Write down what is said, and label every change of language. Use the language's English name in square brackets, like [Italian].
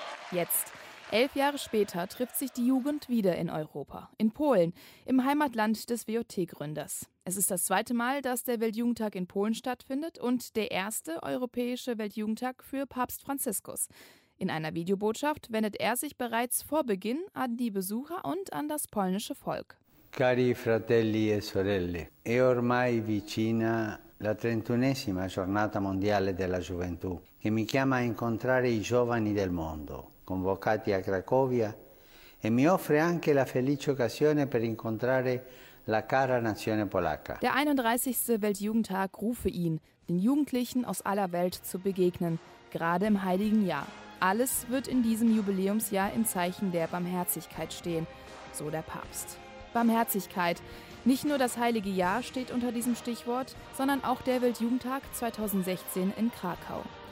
[German] Jetzt, 11 Jahre später, trifft sich die Jugend wieder in Europa, in Polen, im Heimatland des WJT-Gründers. Es ist das 2. Mal, dass der Weltjugendtag in Polen stattfindet und der 1. europäische Weltjugendtag für Papst Franziskus. In einer Videobotschaft wendet er sich bereits vor Beginn an die Besucher und an das polnische Volk. [Italian] Cari fratelli e sorelle, è ormai vicina la 31ª giornata mondiale della gioventù che mi chiama a incontrare i giovani del mondo, convocati a Cracovia e mi offre anche la felice occasione per incontrare la cara nazione polacca. [German] Der 31. Weltjugendtag rufe ihn, den Jugendlichen aus aller Welt zu begegnen, gerade im heiligen Jahr. Alles wird in diesem Jubiläumsjahr im Zeichen der Barmherzigkeit stehen, so der Papst. Barmherzigkeit. Nicht nur das heilige Jahr steht unter diesem Stichwort, sondern auch der Weltjugendtag 2016 in Krakau.